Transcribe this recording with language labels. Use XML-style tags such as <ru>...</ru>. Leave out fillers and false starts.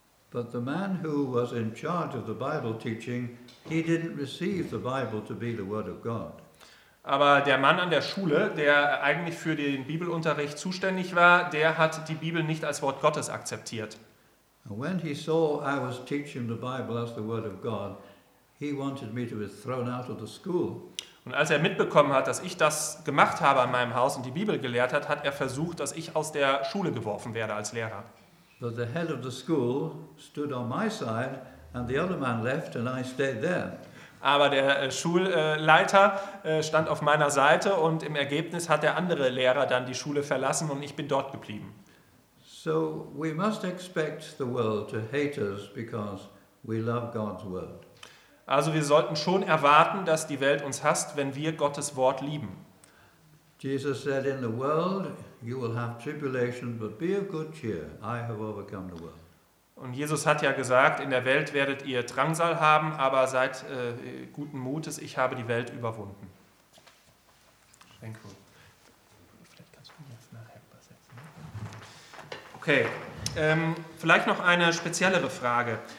<en>But the man who was in charge of the Bible teaching, he didn't receive the Bible to be the Word of God.</en> <de>Aber der Mann an der Schule, der eigentlich für den Bibelunterricht zuständig war, der hat die Bibel nicht als Wort Gottes akzeptiert.</de> <en>And when he saw I was teaching the Bible as the Word of God, he wanted me to be thrown out of the school.</en> <de>Und als er mitbekommen hat, dass ich das gemacht habe an meinem Haus und die Bibel gelehrt hat, hat er versucht, dass ich aus der Schule geworfen werde als Lehrer.</de> <en>But the head of the school stood on my side and the other man left and I stayed there.</en> <de>Aber der Schulleiter stand auf meiner Seite und im Ergebnis hat der andere Lehrer dann die Schule verlassen und ich bin dort geblieben.</de> <en>So we must expect the world to hate us because we love God's word.</en> <de>Also wir sollten schon erwarten, dass die Welt uns hasst, wenn wir Gottes Wort lieben.</de> <en>Jesus said, in the world you will have tribulation, but be of good cheer, I have overcome the world.</en> <de>Und Jesus hat ja gesagt, in der Welt werdet ihr Drangsal haben, aber seid guten Mutes, ich habe die Welt überwunden.</de> <en>Thank you.</en> <de>Vielleicht kannst du mir das nachher übersetzen. Okay, vielleicht noch eine speziellere Frage.</de>